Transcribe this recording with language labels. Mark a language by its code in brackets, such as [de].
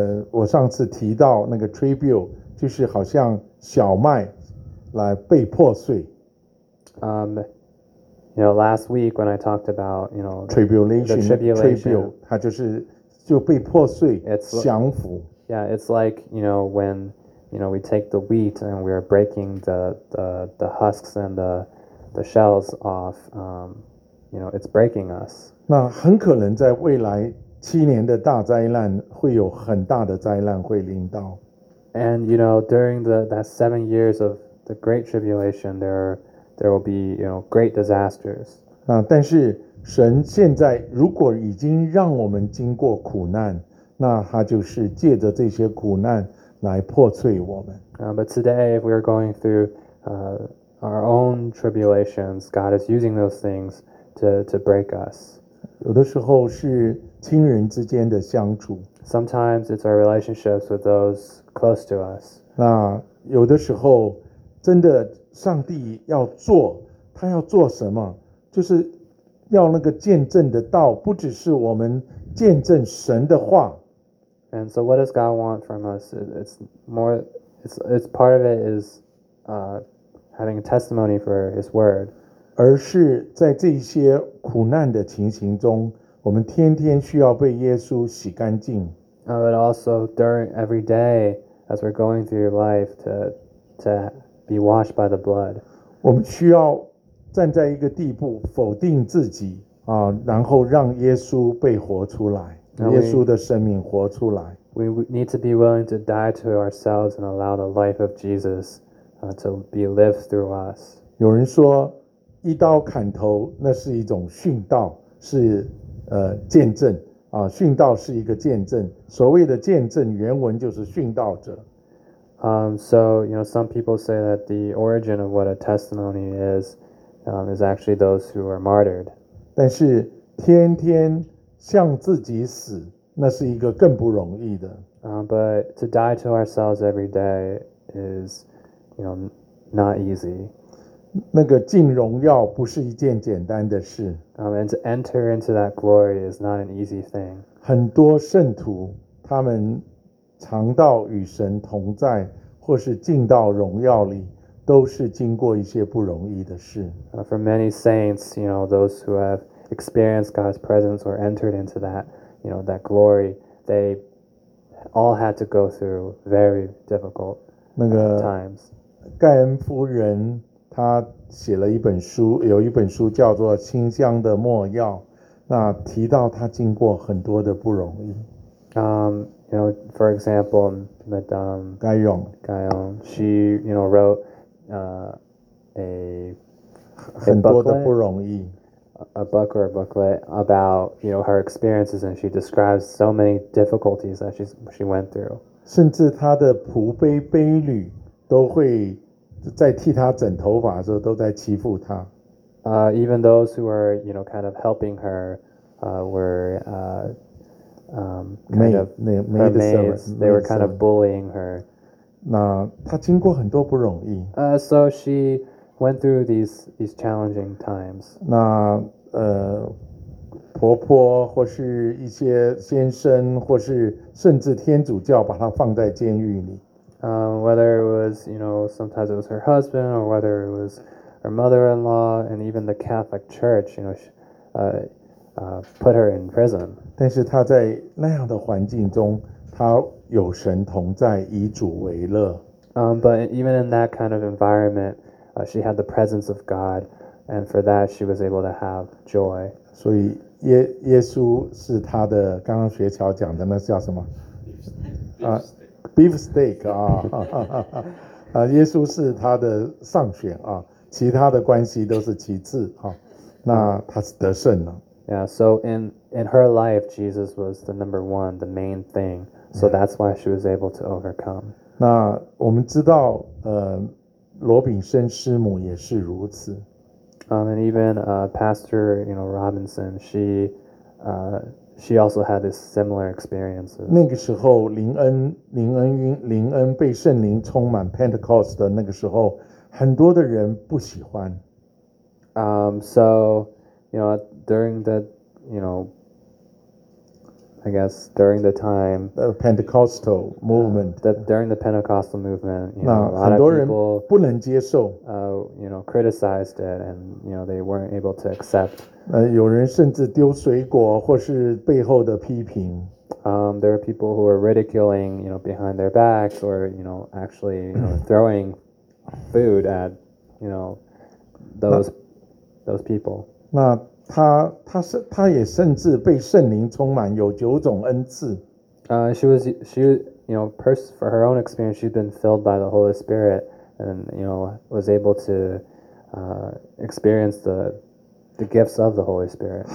[zh] 我上次提到那个 tribute， 就是好像小麦来被破碎。 [en] You know, last week when I talked about, you know, [zh] tribulation, 它就是。就被破碎 降服 [en] Yeah, it's like, you know, when, you know, we take the wheat and we are breaking the husks and the shells off, you know, it's breaking us. [zh] 那很可能在未来七年的大灾难会有很大的灾难会临到。 [en] And, you know, during that 7 years of the Great Tribulation, there will be, you know, great disasters. [zh] 那但是神现在如果已经让我们经过苦难，那他就是借着这些苦难来破碎我们。 [en] But today, if we are going through our own tribulations, God is using those things to break us. [zh] 有的时候是亲人之间的相处。 [en] Sometimes it's our relationships with those close to us. [zh] 那有的时候真的上帝要做，他要做什么，就是。要那个见证的道，不只是我们见证神的话。 [en] And so, what does God want from us? It's part of it is, having a testimony for his word. [zh] 而是在这些苦难的情形中，我们天天需要被耶稣洗干净。 [en] But also during every day, as we're going through your life, to be washed by the blood. [zh] 我们需要站在一个地步否定自己啊，然后让耶稣被活出来，耶稣的生命活出来。 [en] We need to be willing to die to ourselves and allow the life of Jesus, to be lived through us. [zh] 有人说，一刀砍头那是一种殉道，是见证啊，殉道是一个见证。所谓的见证，原文就是殉道者。 [en] So you know, some people say that the origin of what a testimony is, is actually those who are martyred. [zh] 但是天天向自己死。那是一个更不容易的。 [en] But to die to ourselves every day is, you know, not easy. [zh] 那个进荣耀不是一件简单的事。 [en] And to enter into that glory is not an easy thing. [zh] 很多圣徒他们尝到与神同在或是进到荣耀里都是经过一些不容易的事。 [en] For many saints, you know, those who have experienced God's presence or entered into that,you know, that glory, they all had to go through very difficult times. [zh] 盖恩夫人她写了一本书，有一本书叫做《清香的末药》，那提到她经过很多的不容易。 [en] You know, for example, Madame Gaillon, she, you know, wrote, a [zh] 很多的不容易。 [en] A book or a booklet about, you know, her experiences, and she describes so many difficulties that she went through. [zh] 甚至她的仆婢婢女都会在替她整头发的时候都在欺负她。 [en] Even those who were, you know, kind of helping her, were, kind of maid, her maids. They were kind of bullying her. [zh] 那她经过很多不容易。 [en] So she. Went through these challenging times. [zh] 那婆婆或是一些先生或是甚至天主教把她放在监狱里。 [en] Whether it was, you know, sometimes it was her husband or whether it was her mother-in-law and even the Catholic Church, you know, put her in prison. [zh] 但是她在那样的环境中，她有神同在，以主为乐。 [en] But even in that kind of environment. She had the presence of God, and for that she was able to have joy. [zh] 所以耶稣是他的刚刚学桥讲的那叫什么？ [en] beefsteak 啊！ [zh] 耶稣是他的上选啊，其他的关系都是其次啊。那他是得胜了。 [en] Yeah, so in her life, Jesus was the number one, the main thing. So that's why she was able to overcome. [zh] 那我们知道，罗炳生师母也是如此。 [en] And even Pastor, you know, Robinson, she also had this similar experiences. [zh] 那个时候，林恩被圣灵充满 Pentecost 的那个时候，很多的人不喜欢。 [en] So, you know, during the, you know, I guess during the time the Pentecostal movement, during the Pentecostal movement, you know, a lot of people [zh] 不能接受 [en] you know, criticized it, and you know, they weren't able to accept. [zh] 有人甚至丢水果或是背后的批评。 [en] There are people who are ridiculing, you know, behind their backs, or you know, actually throwing food at, you know, those people. [zh] 那他也甚至被圣灵充满，有九种恩赐。 [en] She you know, for her own experience, she'd been filled by the Holy Spirit, and you know, was able to experience the gifts of the Holy Spirit.